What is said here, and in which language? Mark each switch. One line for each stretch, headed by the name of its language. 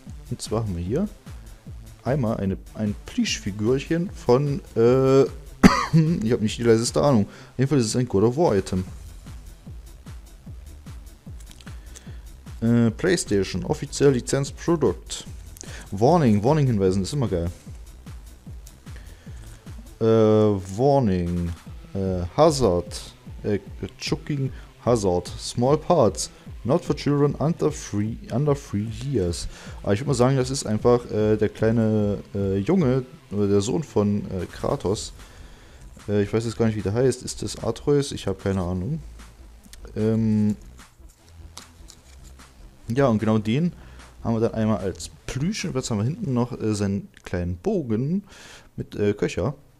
German: Und zwar haben wir hier einmal ein Plüschfigürchen von. Ich habe nicht die leiseste Ahnung. Jedenfalls ist es ein God of War Item. PlayStation, offiziell Lizenz Product.
English: Warning, Warning
German: hinweisen ist immer geil.
English: Warning, Hazard, Choking Hazard, Small Parts, not for children under three years.
German: Aber ich würde mal sagen, das ist einfach der kleine Junge, oder der Sohn von Kratos. Ich weiß jetzt gar nicht, wie der heißt. Ist das Atreus? Ich habe keine Ahnung. Ja, und genau den haben wir dann einmal als Plüsch. Und jetzt haben wir hinten noch seinen kleinen Bogen mit Köcher.